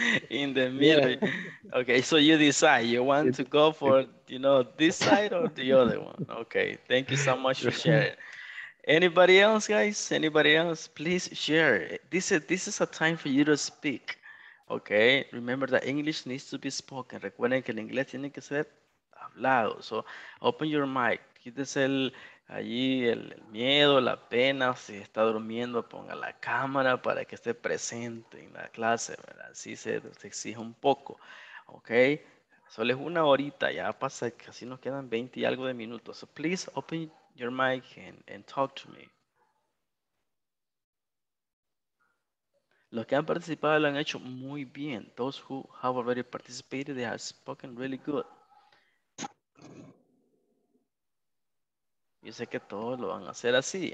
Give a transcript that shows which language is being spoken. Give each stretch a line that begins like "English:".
English: In the middle. Yeah. Okay, so you decide you want to go for, you know, this side or the other one. Okay, thank you so much for sharing. Anybody else, guys? Anybody else? Please share. This is a time for you to speak. Okay, remember that English needs to be spoken.
Spanish: Recuerden que el inglés tiene que ser hablado.
English: So open your mic.
Spanish: Quítese el miedo, la pena. Si está durmiendo, ponga la cámara para que esté presente en la clase, ¿verdad? Así se exige un poco.
English: Okay,
Spanish: solo es una horita. Ya pasa, casi nos quedan 20 y algo de minutos.
English: So please open your mic and talk to me.
Spanish: Los que han participado lo han hecho muy bien.
English: Those who have already participated, they have spoken really good.
Spanish: Yo sé que todos lo van a hacer así.